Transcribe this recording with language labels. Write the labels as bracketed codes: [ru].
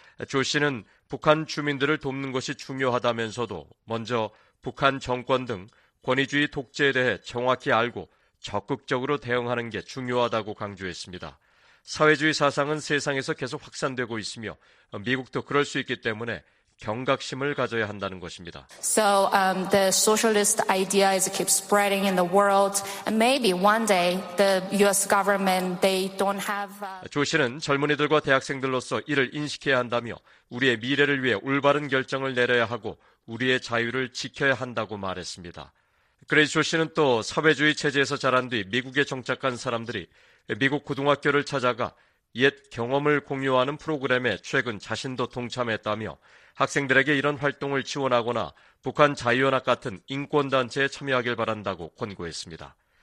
[ko] 조 씨는 북한 주민들을 돕는 것이 중요하다면서도 먼저 북한 정권 등 권위주의 독재에 대해 정확히 알고 적극적으로 대응하는 게 중요하다고 강조했습니다. 사회주의 사상은 세상에서 계속 확산되고 있으며 미국도 그럴 수 있기 때문에 경각심을 가져야 한다는 것입니다. [en] So the socialist idea is keep spreading in the world and maybe one day the US government they don't have [ko] 조 씨는 젊은이들과 대학생들로서 이를 인식해야 한다며 우리의 미래를 위해 올바른 결정을 내려야 하고 우리의 자유를 지켜야 한다고 말했습니다. 그레이스 조 씨는 또 사회주의 체제에서 자란 뒤 미국에 정착한 사람들이 미국 고등학교를 찾아가 옛 경험을 공유하는 프로그램에 최근 자신도 동참했다며 학생들에게 이런 활동을 지원하거나 북한 자유연합 같은 인권단체에 참여하길 바란다고 권고했습니다.